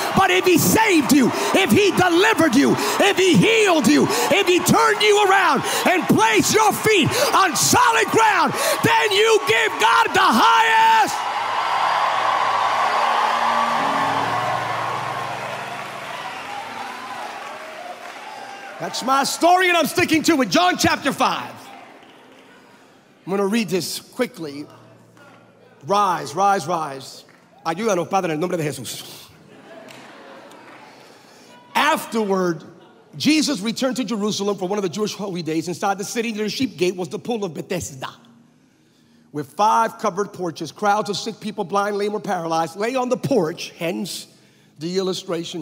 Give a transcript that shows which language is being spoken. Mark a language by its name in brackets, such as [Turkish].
[English] But if he saved you, if he delivered you, if he healed you, if he turned you around and placed your feet on solid ground, then you give God the highest. That's my story, and I'm sticking to it. John chapter 5. I'm going to read this quickly. Rise, rise, rise. [Spanish] Ayúdanos, Padre, en el nombre de Jesús. [English] Afterward, Jesus returned to Jerusalem for one of the Jewish holy days. Inside the city near the sheep gate was the pool of Bethesda. With five covered porches, crowds of sick people, blind, lame, or paralyzed, lay on the porch, hence the illustration.